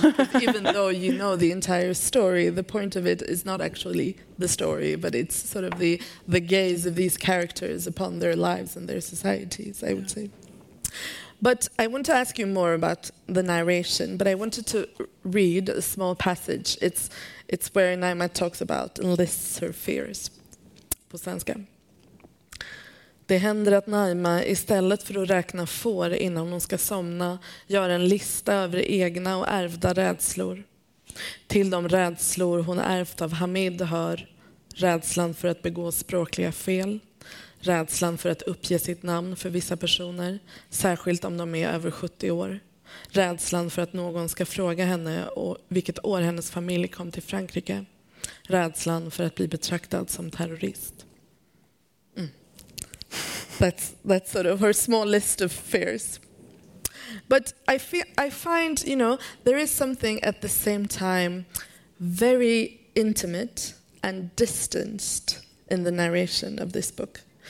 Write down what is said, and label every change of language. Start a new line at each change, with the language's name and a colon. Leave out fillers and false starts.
English: Because even though you know the entire story, the point of it is not actually the story, but it's sort of the gaze of these characters upon their lives and their societies, I would say. But I want to ask you more about the narration, but I wanted to read a small passage. It's where Naima talks about and lists her fears.
Swedish: På svenska. Det händer att Naima istället för att räkna får innan hon ska somna gör en lista över egna och ärvda rädslor. Till de rädslor hon ärvt av Hamid hör rädslan för att begå språkliga fel. Rädslan för att uppge sitt namn för vissa personer, särskilt om de är över 70 år. Rädslan för att någon ska fråga henne och vilket år hennes familj kom till Frankrike. Rädslan för att bli betraktad som terrorist. Mm.
English: That's sort of her small list of fears. But I find, you know, there is something at the same time very intimate and distanced in the narration of this book.